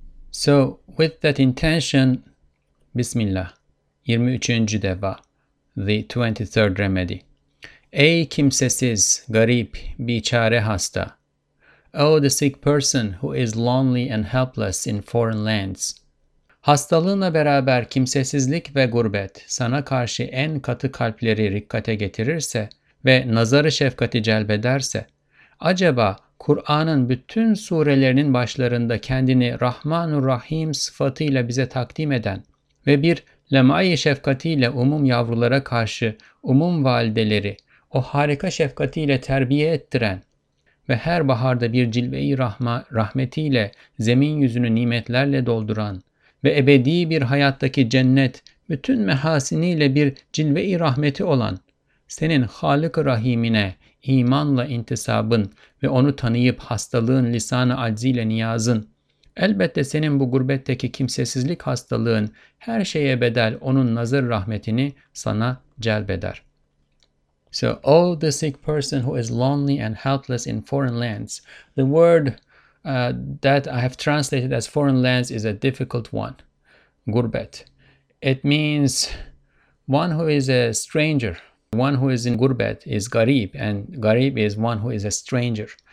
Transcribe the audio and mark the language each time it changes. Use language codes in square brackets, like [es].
[en] So with that intention, Bismillah, 23. Deva, the 23rd remedy. [tr] Ey kimsesiz, garip, biçare hasta. [en] Oh, the sick person who is lonely and helpless in foreign lands. [tr] Hastalığınla beraber kimsesizlik ve gurbet sana karşı en katı kalpleri rikkate getirirse ve nazarı şefkati celbederse, acaba Kur'an'ın bütün surelerinin başlarında kendini Rahman-ı Rahim sıfatıyla bize takdim eden ve bir lemai şefkatiyle umum yavrulara karşı umum valideleri, o harika şefkatiyle terbiye ettiren ve her baharda bir cilve-i rahmetiyle zemin yüzünü nimetlerle dolduran ve ebedi bir hayattaki cennet bütün mehasiniyle bir cilve-i rahmeti olan senin Halık-ı Rahim'ine imanla intisabın ve onu tanıyıp hastalığın lisan-ı acziyle niyazın elbette senin bu gurbetteki kimsesizlik hastalığın her şeye bedel onun nazır rahmetini sana celbeder. [en] So, oh, the sick person who is lonely and helpless in foreign lands. The word that I have translated as foreign lands is a difficult one. Gurbet. It means one who is a stranger. One who is in gurbet is garib, and garib is one who is a stranger.